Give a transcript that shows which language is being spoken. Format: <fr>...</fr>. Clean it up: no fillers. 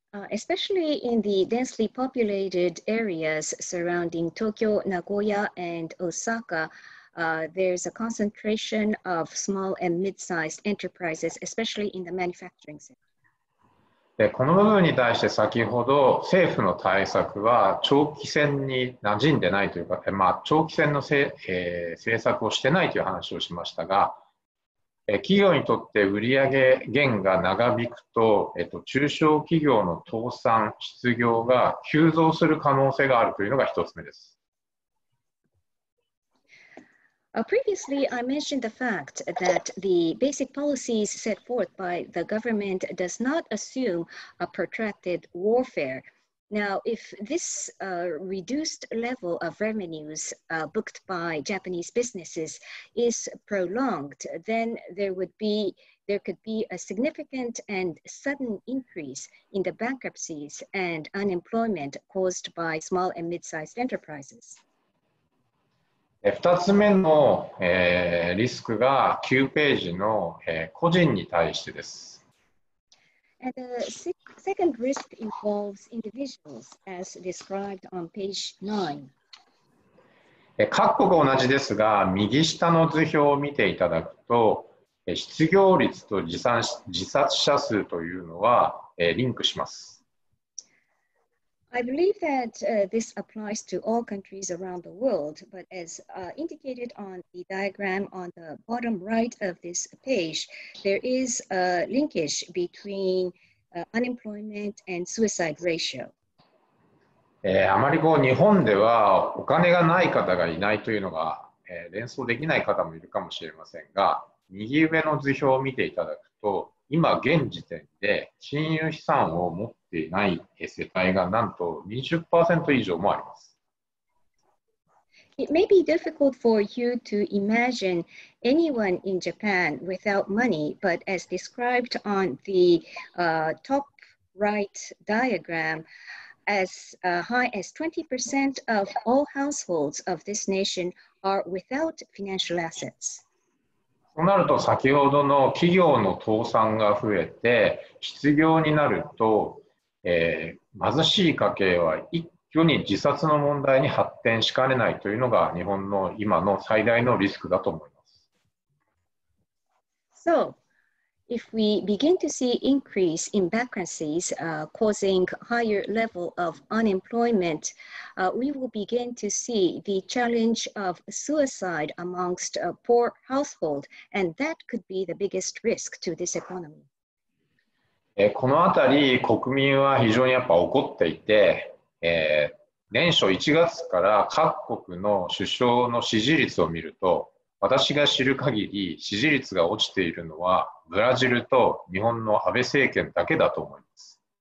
<en>Especially in the densely populated areas surrounding Tokyo, Nagoya, and Osaka, there's a concentration of small and mid-sized enterprises, especially in the manufacturing sector.</en> <ja>で、この部分に対して先ほど政府の対策は長期戦に馴染んでないというか、まあ、長期戦の政策をしてないという話をしましたが、企業にとって売上減が長引くと、中小企業の倒産、失業が急増する可能性があるというのが一つ目です。</ja> <en>Previously, I mentioned the fact that the basic policies set forth by the government does not assume a protracted warfare. Now, if this reduced level of revenues booked by Japanese businesses is prolonged, then there could be a significant and sudden increase in the bankruptcies and unemployment caused by small and mid-sized enterprises.</en> <ja>2つ目の、リスクが9ページの、個人に対してです。</ja> <en>And the second risk involves individuals, as described on page 9.</en> <ja>各国同じですが、右下の図表を見ていただくと、失業率と自殺者数というのはリンクします。</ja> <en>I believe that this applies to all countries around the world, but as indicated on the diagram on the bottom right of this page, there is a linkage between unemployment and suicide ratio.</en> <ja>あまりこう日本ではお金がない方がいないというのが、連想できない方もいるかもしれませんが、右上の図表を見ていただくと、今現時点で金融資産を持っていない世帯がなんと 20% 以上もあります。</ja> <en>It may be difficult for you to imagine anyone in Japan without money, but as described on the top right diagram, as high as 20% of all households of this nation are without financial assets.</en> <ja>となると先ほどの企業の倒産が増えて失業になると、貧しい家計は一挙に自殺の問題に発展しかねないというのが日本の今の最大のリスクだと思います。</ja> <en>So, if we begin to see increase in bankruptcies, causing higher level of unemployment, we will begin to see the challenge of suicide amongst a poor household, and that could be the biggest risk to this economy.</en> <ja>このあたり、国民は非常にやっぱ怒っていて、年初1月から各国の首相の支持率を見ると、私が知る限り支持率が落ちているのはブラジルと日本の安倍政権だけだと思います。</ja>